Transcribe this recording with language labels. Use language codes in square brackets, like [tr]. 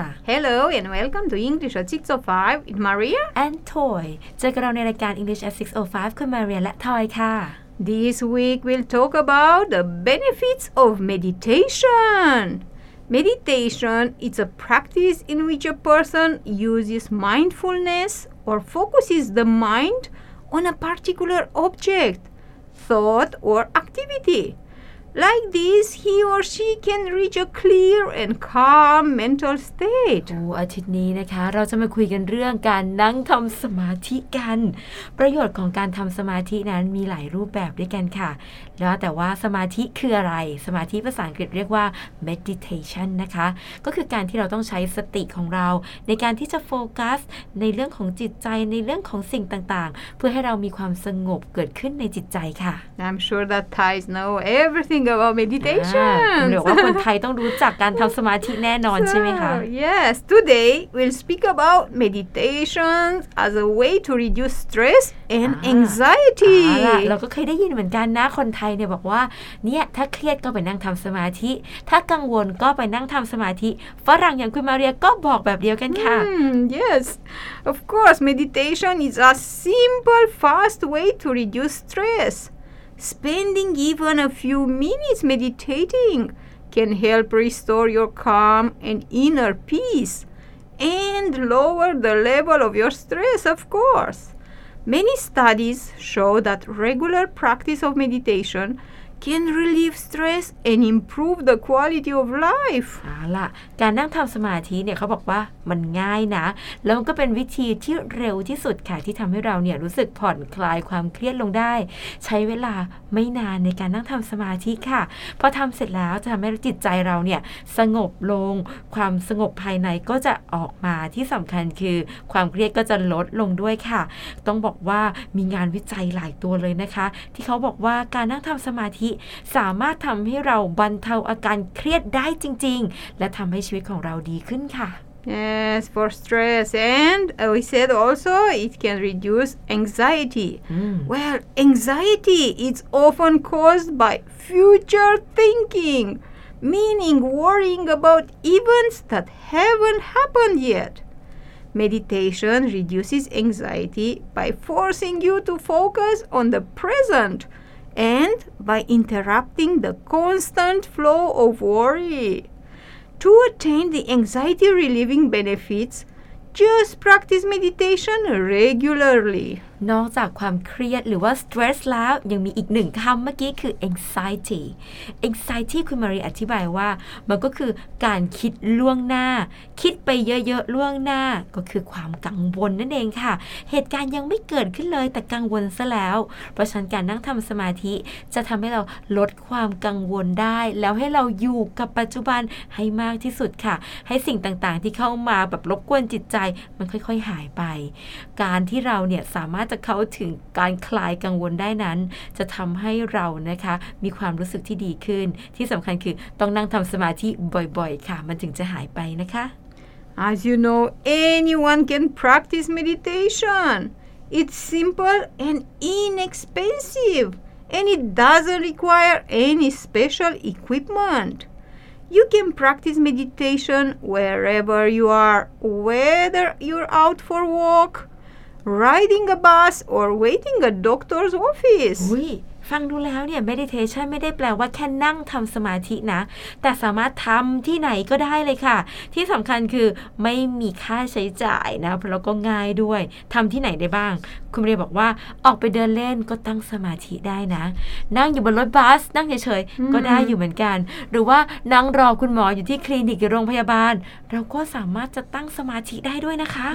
[en] Hello and welcome to English at 6:05 with Maria and Toy. [th] เจอกับเราในรายการ English at 6:05 คุณ Maria และ Toy ค่ะ [en] This week we'll talk about the benefits of meditation. Meditation is a practice in which a person uses mindfulness or focuses the mind on a particular object. Thought or activity. Like this, he or she can reach a clear and calm mental state. [th] โอ้อาทิตย์นี้นะคะเราจะมาคุยกันเรื่องการนั่งทำสมาธิกันประโยชน์ของการทำสมาธินั้นมีหลายรูปแบบด้วยกันค่ะแล้วแต่ว่าสมาธิคืออะไรสมาธิภาษาอังกฤษเรียกว่า meditation นะคะก็คือการที่เราต้องใช้สติของเราในการที่จะโฟกัสในเรื่องของจิตใจในเรื่องของสิ่งต่างๆเพื่อให้เรามีความสงบเกิดขึ้นในจิตใจค่ะ [en] I'm sure that Thais know everything about meditation [th] หรือว่าคนไทยต้องรู้จักการทำสมาธิแน่นอน ใช่ไหมคะ [en] Yes today we'll speak about meditation as a way to reduce stress and anxiety [th] เราก็เคยได้ยินเหมือนกันนะคนไทยเนี่ยบอกว่าเนี่ยถ้าเครียดก็ไปนั่งทำสมาธิถ้ากังวลก็ไปนั่งทำสมาธิฝรั่งอย่างคุณมาเรียก็บอกแบบเดียวกันค่ะ [en] Yes of course meditation is a simple fast way to reduce stress spending even a few minutes meditating can help restore your calm and inner peace and lower the level of your stress of course. Many studies show that regular practice of meditation can relieve stress and improve the quality of life. [th] เอาล่ะการนั่งทำสมาธิเนี่ยเขาบอกว่ามันง่ายนะแล้วก็เป็นวิธีที่เร็วที่สุดค่ะที่ทำให้เราเนี่ยรู้สึกผ่อนคลายความเครียดลงได้ ใช้เวลาไม่นานในการนั่งทำสมาธิค่ะพอทำเสร็จแล้วจะทำให้จิตใจเราเนี่ยสงบลงความสงบภายในก็จะออกมาที่สำคัญคือความเครียดก็จะลดลงด้วยค่ะต้องบอกว่ามีงานวิจัยหลายตัวเลยนะคะที่เขาบอกว่าการนั่งทำสมาธิสามารถทำให้เราบรรเทาอาการเครียดได้จริงๆและทำให้ชีวิตของเราดีขึ้นค่ะ [en] Yes for stress and we said also it can reduce anxiety Well anxiety is often caused by future thinking meaning worrying about events that haven't happened yetMeditation reduces anxiety by forcing you to focus on the present and by interrupting the constant flow of worry. To attain the anxiety-relieving benefits, just practice meditation regularly. [th] นอกจากความเครียดหรือว่า stress แล้วยังมีอีกหนึ่งคำเมื่อกี้คือ anxiety anxiety คุณมารีอธิบายว่ามันก็คือการคิดล่วงหน้าคิดไปเยอะๆล่วงหน้าก็คือความกังวลนั่นเองค่ะเหตุการณ์ยังไม่เกิดขึ้นเลยแต่กังวลซะแล้วเพราะฉะนั้นการนั่งทำสมาธิจะทำให้เราลดความกังวลได้แล้วให้เราอยู่กับปัจจุบันให้มากที่สุดค่ะให้สิ่งต่างๆที่เข้ามาแบบรบกวนจิตใจมันค่อยๆหายไป การที่เราเนี่ยสามารถจะเข้าถึงการคลายกังวลได้นั้นจะทำให้เรานะคะมีความรู้สึกที่ดีขึ้นที่สำคัญคือต้องนั่งทำสมาธิบ่อยๆค่ะมันถึงจะหายไปนะคะ [en] As you know anyone can practice meditation it's simple and inexpensive and it doesn't require any special equipment you can practice meditation wherever you are whether you're out for a walkriding a bus or waiting a doctor's office [th] อุ้ยฟังดูแล้วเนี่ย meditation ไม่ได้แปลว่าแค่นั่งทำสมาธินะแต่สามารถทำที่ไหนก็ได้เลยค่ะที่สำคัญคือไม่มีค่าใช้จ่ายนะแล้วก็ง่ายด้วยทำที่ไหนได้บ้างคุณเรียบอกว่าออกไปเดินเล่นก็ตั้งสมาธิได้นะนั่งอยู่บนรถบัสนั่งเฉยๆก็ได้อยู่เหมือนกันหรือว่านั่งรอคุณหมออยู่ที่คลินิกหรือโรงพยาบาลเราก็สามารถจะตั้งสมาธิได้ด้วยนะคะ